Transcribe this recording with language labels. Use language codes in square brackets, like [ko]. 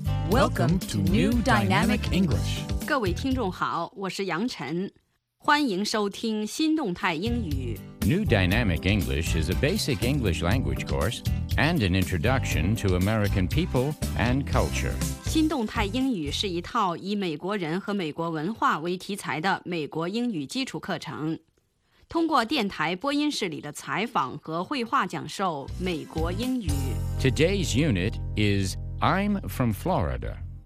[en] Welcome to New Dynamic English. [zh] 各位听众好，我是杨晨，欢迎收听新动态英语。 [en] New Dynamic English is a basic English language course and an introduction to American people and culture. [zh] 新动态英语是一套以美国人和美国文化为题材的美国英语基础课程。通过电台播音室里的采访和绘画讲授美国英语。 [en] Today's unit is I'm from Florida.